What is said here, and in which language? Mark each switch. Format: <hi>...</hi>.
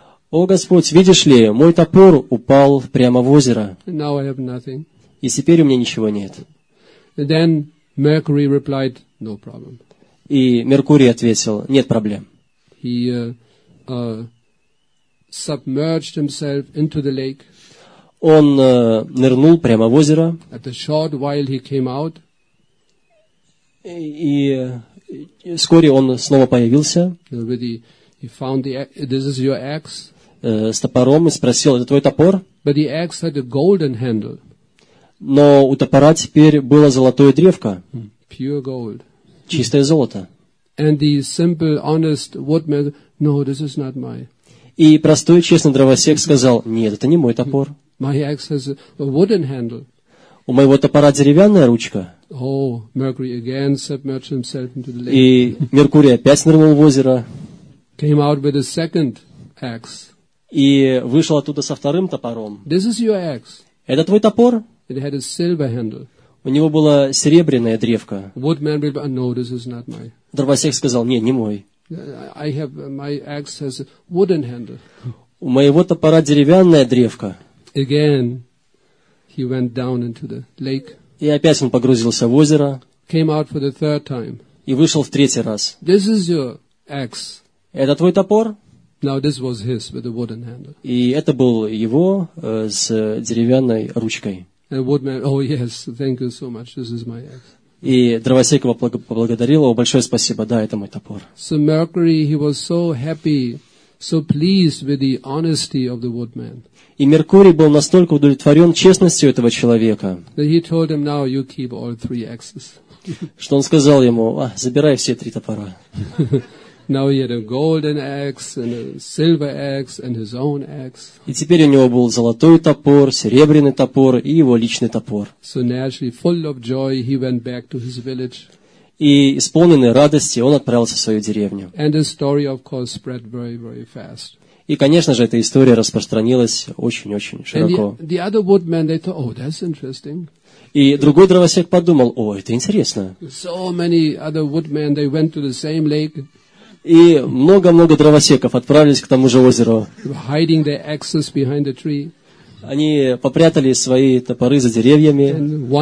<ru>О, Господь, видишь ли, мой топор упал прямо в озеро.</ru> <en>Now I have nothing.</en> <ru>И теперь у меня ничего нет.</ru> <en>Then Mercury replied, no problem.</en> <ru>И Меркурий ответил, нет проблем.</ru> <en>He submerged himself into the lake.</en> <ru>Он нырнул прямо в озеро.</ru> <en>At a short while he came out.</en> <ru>И вскоре он снова появился.</ru> <en>With he found the this is your axe.</en> <ru>С топором и спросил, это твой топор?</ru> <en>But the axe had a golden handle.</en> <ru>Но у топора теперь было золотое древко.</ru> <en>Pure gold.</en> <ru>Чистое золото.</ru> <en>And the simple, honest woodman, no, this is not my.</en> <ru>И простой честный дровосек сказал, нет, это не мой топор.</ru> <en>My axe has a wooden handle.</en> <ru>У моего топора деревянная ручка.</ru> <en>Oh, Mercury again submerged himself into the lake.</en> <ru>И Меркурий опять нырнул в озеро.</ru> <en>Came out with a second axe.</en> <ru>И вышел оттуда со вторым топором.</ru> <en>This is your axe.</en> <ru>Это твой топор?</ru> <en>It had a silver handle.</en> <ru>У него была серебряная древка.</ru> <en>Woodman replied, no, this is not my.</en> <ru>Дровосек сказал, нет, не мой.</ru> <en>I have, my axe has a wooden handle.</en> <ru>У моего топора деревянная древка.</ru> <en>Again, he went down into the lake.</en> <ru>И опять он погрузился в озеро.</ru> <en>Came out for the third time.</en> <ru>И вышел в третий раз.</ru> <en>This is your axe.</en> <ru>Это твой топор?</ru> <en>Now this was his with the wooden handle.</en> <ru>И это был его с деревянной ручкой.</ru> <en>And woodman, oh yes, thank you so much, this is my axe.</en> <ru>И дровосек его поблагодарил, о, большое спасибо, да, это мой топор.</ru> <en>So Mercury, he was so happy, so pleased with the honesty of the woodman.</en> <ru>И Меркурий был настолько удовлетворен честностью этого человека,</ru> <en>that he told him, now you keep all three axes.</en> <ru>Что он сказал ему, а, забирай все три топора.</ru> <en>Now he had a golden axe and a silver axe and his own axe.</en> <ru>И теперь у него был золотой топор, серебряный топор и его личный топор.</ru> <en>So naturally, full of joy, he went back to his village.</en> <ru>И исполненный радости, он отправился в свою деревню.</ru> <en>And his story, of course, spread very, very fast.</en> <ru>И, конечно же, эта история распространилась очень-очень широко.</ru> <en>And the other woodman, they thought, oh, that's interesting.</en> <ru>И другой дровосек подумал, о, это интересно.</ru> <en>So many other woodmen, they went to the same lake.</en> <ru>И много-много дровосеков отправились к тому же озеру.</ru> <en>Hiding their axes behind the tree.</en> <ru>Они попрятали свои топоры за деревьями.</ru>